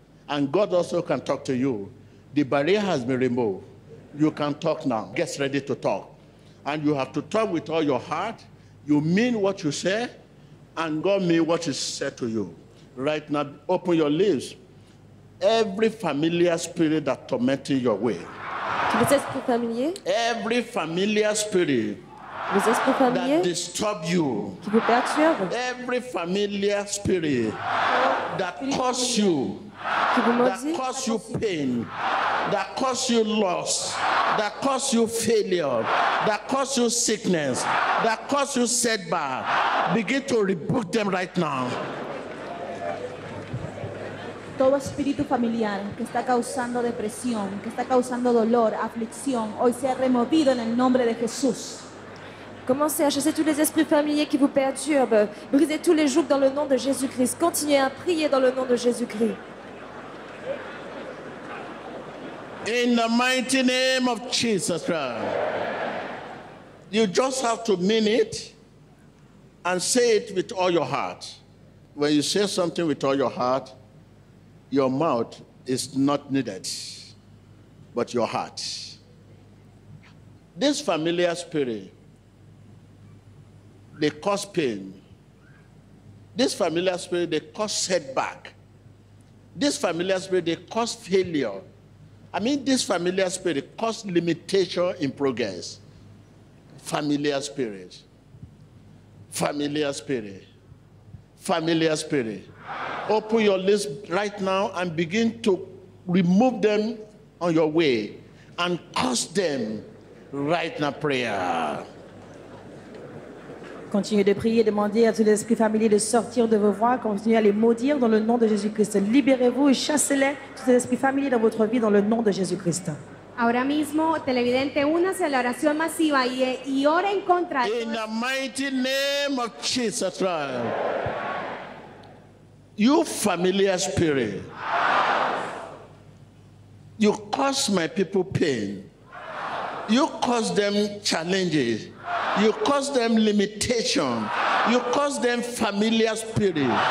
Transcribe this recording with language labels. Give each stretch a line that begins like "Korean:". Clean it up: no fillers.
English: And God also can talk to you. The barrier has been removed. You can talk now. Get ready to talk. And you have to talk with all your heart. You mean what you say. And God means what is said to you. Right now, open your lips. Every familiar spirit that tormented your way.
French: Vous êtes plus familier?
English: Every familiar spirit.
French: Vous êtes plus familier?
English: That disturb you.
French: Qui vous perturbe?
English: Every familiar spirit that caused you.
French: Qui vous maudit?
English: That caused you pain. That caused you loss. That caused you failure. That caused you sickness. That caused you setback. Begin to rebuke them right now.
Spanish: Todo espíritu familiar que está causando depresión, que está causando dolor, aflicción, hoy sea removido en el nombre de Jesús.
French: Commencez à chasser tous les esprits familiers qui vous perturbent. Brisez tous les jougs dans le nom de Jésus-Christ. Continuez à prier dans le nom de Jésus-Christ.
English: In the mighty name of Jesus Christ. You just have to mean it and say it with all your heart. When you say something with all your heart, your mouth is not needed, but your heart. This familiar spirit, they cause pain. This familiar spirit, they cause setback. This familiar spirit, they cause failure. I mean, this familiar spirit cause limitation in progress. Familiar spirit. Familiar spirit. Familiar spirit. Open your lips right now and begin to remove them on your way and curse them right now, prayer.
French: Continuez de prier et demander à tous les esprits familiers de sortir de vos voies. Continuez à les maudire dans le nom de Jésus-Christ. Libérez-vous et chassez-les, tous les esprits familiers dans votre vie, dans le nom de Jésus-Christ.
Spanish: Ahora mismo, televidente, únase a la oración masiva y ore en contra.
English: In the mighty name of Jesus Christ. You familiar spirit, you cause my people pain, you cause them challenges, you cause them limitation, you cause them familiar spirit.